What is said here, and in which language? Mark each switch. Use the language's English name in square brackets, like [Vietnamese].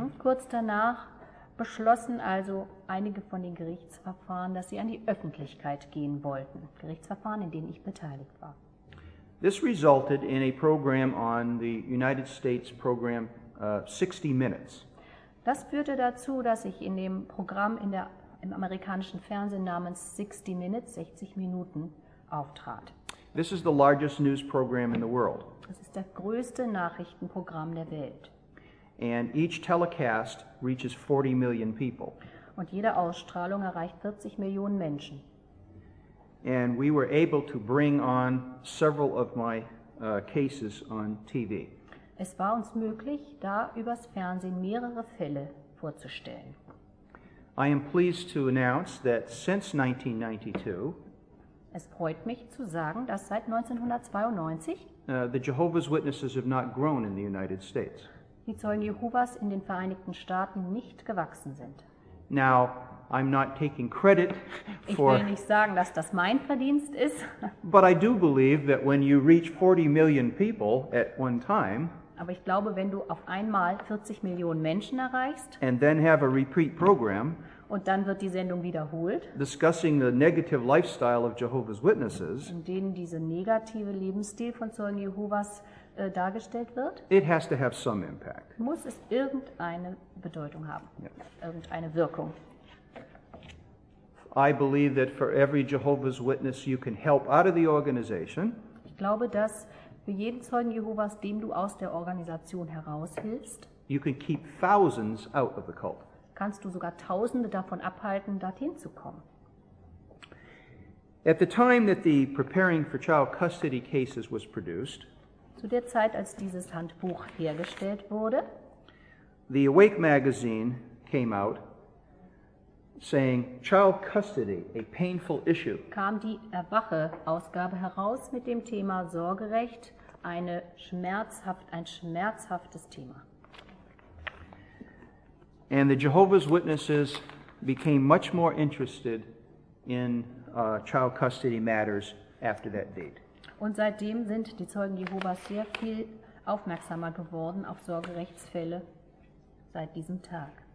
[German] Kurz danach beschlossen also einige von den Gerichtsverfahren, dass sie an die Öffentlichkeit gehen wollten. Gerichtsverfahren, in denen ich beteiligt war. [English] This resulted in a program on the United States program 60 Minutes. [German] Das führte dazu, dass ich in dem Programm im amerikanischen Fernsehen namens 60 Minutes, 60 Minuten, auftrat. [English] This is the largest news program in the world. [German] Das ist das größte Nachrichtenprogramm der Welt. [English] And each telecast reaches 40 million people. [German] Und jede Ausstrahlung erreicht 40 Millionen Menschen. [English] And we were able to bring on several of my cases on TV. [German] Es war uns möglich, da übers Fernsehen mehrere Fälle vorzustellen. [English] I am pleased to announce that since 1992, [German] es freut mich zu sagen, dass seit 1992 [English] the Jehovah's Witnesses have not grown in the United States. [German] Die Zeugen Jehovas in den Vereinigten Staaten nicht gewachsen sind. [English] Now, I'm not taking credit for, [German] ich will nicht sagen, dass das mein Verdienst ist. [English] But I do believe that when you reach 40 million people at one time, [German] aber ich glaube, wenn du auf einmal 40 Millionen Menschen erreichst, [English] and then have a repeat program, [German] und dann wird die Sendung wiederholt, [English] discussing the negative lifestyle of Jehovah's Witnesses, [German] in denen dieser negative Lebensstil von Zeugen Jehovas dargestellt wird, [English] it has to have some impact. [German] Muss es irgendeine Bedeutung haben, yeah. Irgendeine Wirkung. [English] I believe that for every Jehovah's Witness you can help out of the organization, [German] ich glaube, dass für jeden Zeugen Jehovas, dem du aus der Organisation heraushilfst, [English] you can keep thousands out of the cult. [German] Kannst du sogar Tausende davon abhalten, dorthin zu kommen. [English] At the time that the preparing for child custody cases was produced, [German] zu der Zeit, als dieses Handbuch hergestellt wurde, [English] the Awake magazine came out saying, child custody, a painful issue. [German] Kam die Erwache-Ausgabe heraus mit dem Thema Sorgerecht, ein schmerzhaftes Thema. [English] And the Jehovah's Witnesses became much more interested in child custody matters after that date. [German] Und seitdem sind die Zeugen Jehovas sehr viel aufmerksamer geworden auf Sorgerechtsfälle seit diesem Tag.